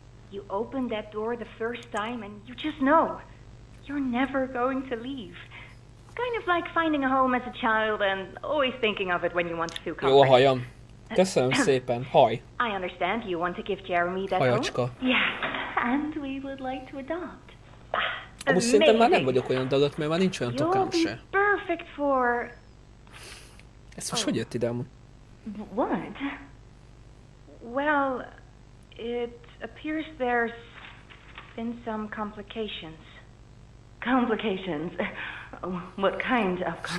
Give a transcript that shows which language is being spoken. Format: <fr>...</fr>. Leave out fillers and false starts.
<en>You opened that door the first time and you just know. You're never going to leave. Kind of like finding a home as a child and always thinking of it when you want to feel comfortable.</en> <hu>Jó a hajam. Köszönöm szépen. Haj.</hu> <en>I understand you want to give Jeremy that</en> <hu>hajacska.</hu> <en>Home. Yeah, and we would like to adopt.</en> <hu>Amúgy szerintem már nem vagyok olyan dagadt, mert már nincs olyan tokám se.</hu> <en>Perfect for...</en> <hu>Ez most hogy jött ide amúgy?</hu> <en>What? Well, it appears there's been some complications. Complications? What kind of complications?</en>